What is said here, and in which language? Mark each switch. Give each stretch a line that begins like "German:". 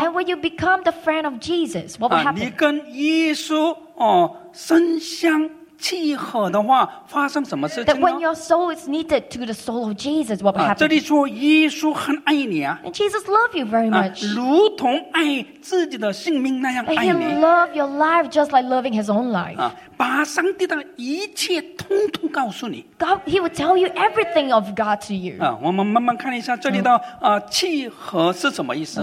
English: And when you become the friend of Jesus, what will happen?
Chinese: 你跟耶稣身相契合的话，发生什么事情呢？
English: That when your soul is knitted to the soul of Jesus, what will happen?
Chinese: 这里说耶稣很爱你啊。
English: And Jesus loves you very much.
Chinese: 如同爱自己的性命那样爱你。
English: But he loves your life just like loving his own life.
Chinese: 把上帝的一切通通告诉你。
English: God, he will tell you everything of God to you.
Chinese: 我们慢慢看一下这里的契合是什么意思。